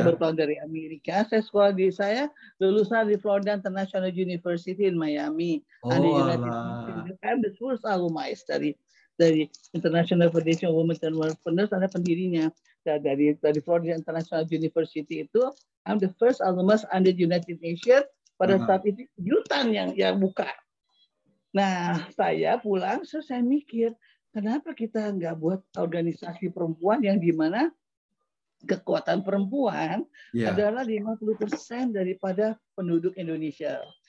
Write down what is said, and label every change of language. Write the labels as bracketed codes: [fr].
[id] Saya berpulang dari Amerika. Saya sekolah di saya lulusan di Florida International University in Miami. [en] I'm the first alumni dari International Federation of Women and Entrepreneurs. [id] Saya pendirinya dari Florida International University itu. [en] I'm the first alumnus under the United Nations. [id] Pada saat itu Yutan yang buka. Nah, saya pulang, so saya mikir, kenapa kita nggak buat organisasi perempuan yang di mana kekuatan perempuan adalah 50% daripada penduduk Indonesia.